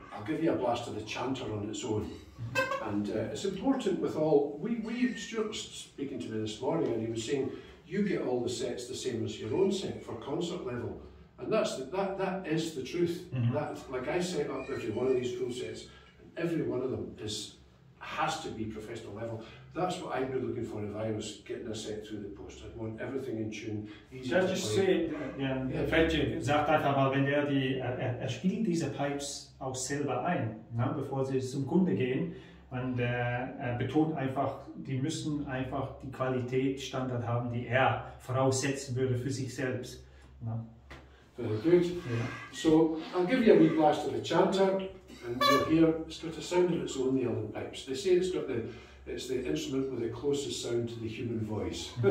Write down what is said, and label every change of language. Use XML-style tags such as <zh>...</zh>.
<en>I'll give you a blast of the chanter on its own. And it's important with all, Stuart was speaking to me this morning, and he was saying, you get all the sets the same as your own set for concert level. And that's that is the truth. Mm-hmm. That, like, I set up every one of these full sets, and every one of them has to be professional level. That's what I'd be looking for if I was getting a set through the post. I'd want everything in tune, easy. Can I just say,</en> <de>wenn er die, er spielt diese Pipes auch selber ein, ne, bevor sie zum Kunde gehen, und er betont einfach, die müssen einfach die Qualität, Standard haben, die er voraussetzen würde für sich selbst. Ne?</de> <en>Very good. Yeah. So, I'll give you a wee blast of the chanter, and you'll hear, it's got a sound of its own, the Allen pipes. They say it's the instrument with the closest sound to the human voice.</en>